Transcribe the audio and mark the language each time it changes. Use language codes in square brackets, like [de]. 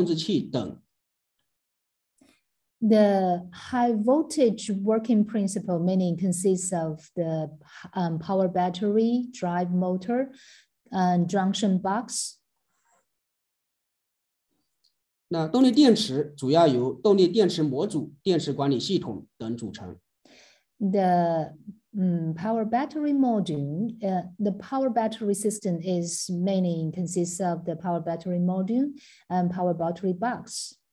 [zh] 高压系统的组成涵括着动力电池、驱动电机及高压分电盒、电机控制器等。 [en] The high voltage working principle meaning consists of the power battery, drive motor, and junction box. [zh] 那动力电池主要由动力电池模组、电池管理系统等组成。 [en] The power battery module, the power battery system is mainly consists of the power battery module and power battery box.